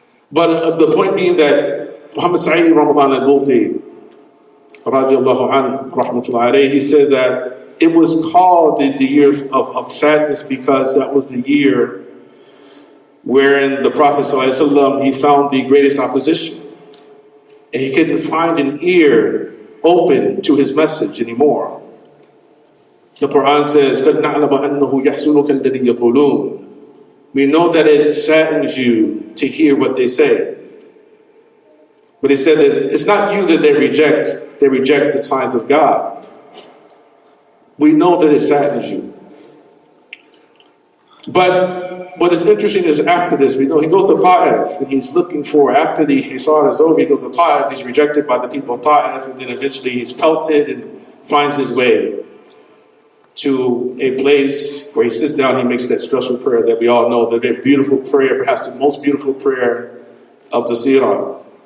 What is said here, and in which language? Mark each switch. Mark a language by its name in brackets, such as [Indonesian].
[English] But the point being that Muhammad Sa'id Ramadan al-Bulti, radiallahu anhu, rahmatullahi alayhi, he says that it was called the year of sadness because that was the year wherein the Prophet sallallahu alayhi wa sallam, he found the greatest opposition. And he couldn't find an ear open to his message anymore. [Arabic] The Quran says, قَدْ نَعْلَمَ أَنَّهُ يَحْزُنُكَ الَّذِي يَقُولُونَ. [English] We know that it saddens you to hear what they say. But he said that it's not you that they reject. They reject the signs of God. We know that it saddens you. But what is interesting is after this, we know he goes to Ta'if, and he's looking for, after the Hisar is over, he goes to Ta'if, he's rejected by the people of Ta'if, and then eventually he's pelted and finds his way to a place where he sits down, he makes that special prayer that we all know, the very beautiful prayer, perhaps the most beautiful prayer of the Sirah.